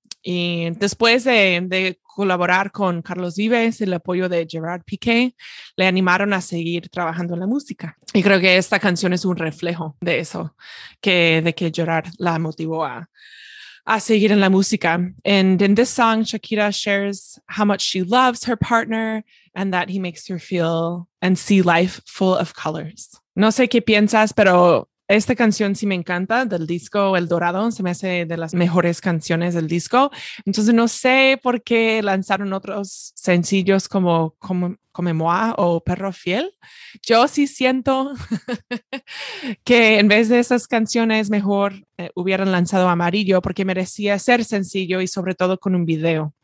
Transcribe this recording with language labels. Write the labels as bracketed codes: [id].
[es] Y después de colaborar con Carlos Vives, el apoyo de Gerard Piqué, le animaron a seguir trabajando en la música. Y creo que esta canción es un reflejo de eso, de que Gerard la motivó a seguir en la música. [en] And in this song, Shakira shares how much she loves her partner and that he makes her feel and see life full of colors. [es] No sé qué piensas, pero esta canción sí me encanta, del disco El Dorado, se me hace de las mejores canciones del disco. Entonces no sé por qué lanzaron otros sencillos como Comemoa o Perro Fiel. Yo sí siento que en vez de esas canciones mejor hubieran lanzado Amarillo porque merecía ser sencillo y sobre todo con un video.